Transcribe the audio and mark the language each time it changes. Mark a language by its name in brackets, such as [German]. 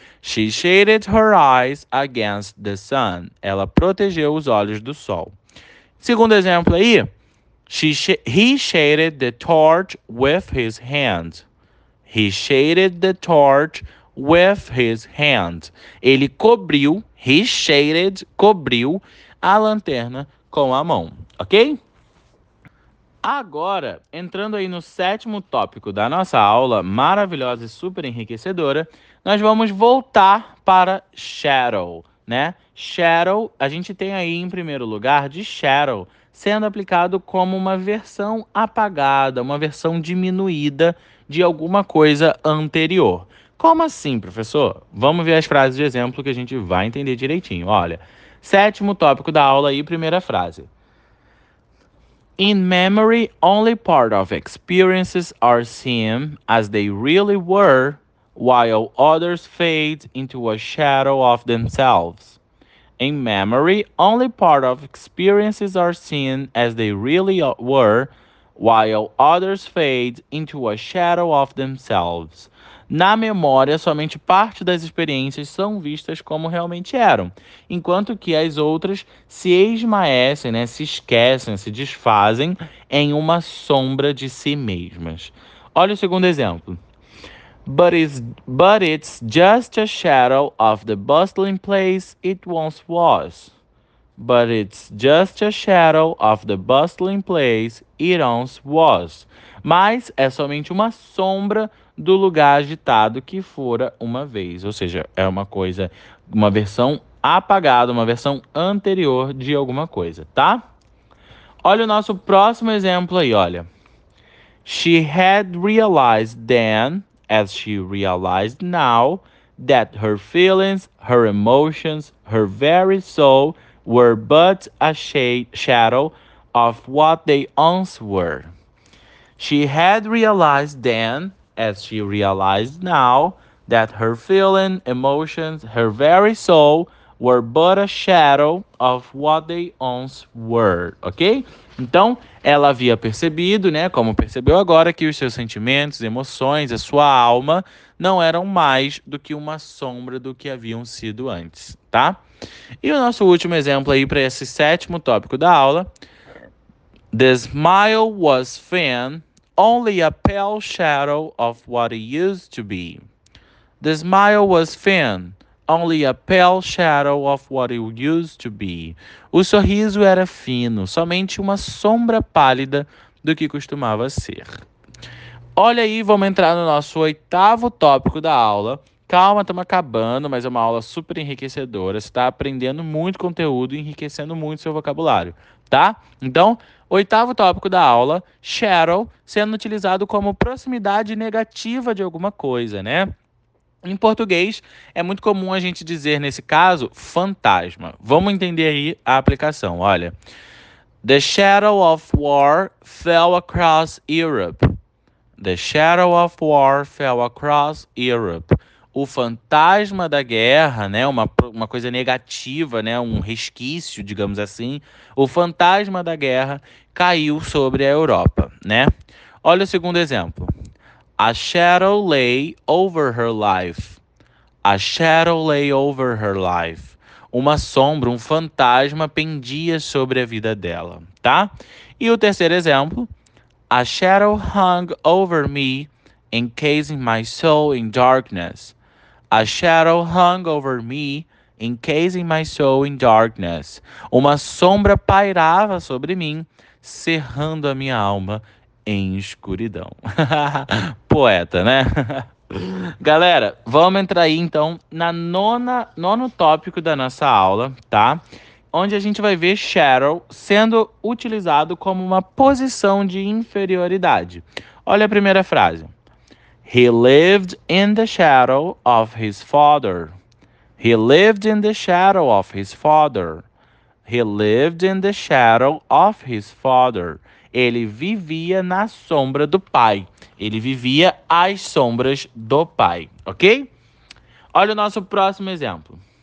[English] She shaded her eyes against the sun. [Portuguese] Ela protegeu os olhos do sol. Segundo exemplo aí. [English] He shaded the torch with his hand. He shaded the torch with his hand. [Portuguese] Ele cobriu, [English] he shaded, [Portuguese] cobriu a lanterna com a mão, ok? Agora, entrando aí no sétimo tópico da nossa aula, maravilhosa e super enriquecedora, nós vamos voltar para shadow, né? Shadow, a gente tem aí em primeiro lugar de shadow, sendo aplicado como uma versão apagada, uma versão diminuída de alguma coisa anterior. Como assim, professor? Vamos ver as frases de exemplo que a gente vai entender direitinho. Olha, sétimo tópico da aula aí, primeira frase. [English] In memory, only part of experiences are seen as they really were, while others fade into a shadow of themselves. In memory, only part of experiences are seen as they really were, while others fade into a shadow of themselves. [Portuguese] Na memória, somente parte das experiências são vistas como realmente eram, enquanto que as outras se esmaecem, né, se esquecem, se desfazem em uma sombra de si mesmas. Olha o segundo exemplo. [English] But it's just a shadow of the bustling place it once was. But it's just a shadow of the bustling place it once was. [Portuguese] Mas é somente uma sombra do lugar agitado que fora uma vez. Ou seja, é uma coisa, uma versão apagada, uma versão anterior de alguma coisa, tá? Olha o nosso próximo exemplo aí, olha. [English] She had realized then, as she realized now, that her feelings, her emotions, her very soul were but a shadow of what they once were. She had realized then, as she realized now, that her feelings, emotions, her very soul were but a shadow of what they once were, ok? [Portuguese] Então, ela havia percebido, né, como percebeu agora, que os seus sentimentos, emoções, a sua alma não eram mais do que uma sombra do que haviam sido antes, tá? E o nosso último exemplo aí para esse sétimo tópico da aula. [English] The smile was then only a pale shadow of what it used to be. The smile was then only a pale shadow of what it used to be. [Portuguese] O sorriso era fino, somente uma sombra pálida do que costumava ser. Olha aí, vamos entrar no nosso oitavo tópico da aula. Calma, estamos acabando, mas é uma aula super enriquecedora. Você está aprendendo muito conteúdo e enriquecendo muito seu vocabulário, tá? Então, oitavo tópico da aula: shadow sendo utilizado como proximidade negativa de alguma coisa, né? Em português, é muito comum a gente dizer, nesse caso, fantasma. Vamos entender aí a aplicação. Olha: [English] The shadow of war fell across Europe. The shadow of war fell across Europe. [Portuguese] O fantasma da guerra, né, uma coisa negativa, né, um resquício, digamos assim, o fantasma da guerra caiu sobre a Europa, né? Olha o segundo exemplo. [English] A shadow lay over her life. A shadow lay over her life. [Portuguese] Uma sombra, um fantasma pendia sobre a vida dela, tá? E o terceiro exemplo. [English] A shadow hung over me, encasing my soul in darkness. A shadow hung over me, encasing my soul in darkness. [Portuguese] Uma sombra pairava sobre mim, cerrando a minha alma em escuridão. Poeta, né? Galera, vamos entrar aí então na nona, nono tópico da nossa aula, tá? Onde a gente vai ver shadow sendo utilizado como uma posição de inferioridade. Olha a primeira frase. [English] He lived in the shadow of his father. He lived in the shadow of his father. He lived in the shadow of his father. [Portuguese] Ele vivia na sombra do pai. Ele vivia às sombras do pai, ok? Olha o nosso próximo exemplo.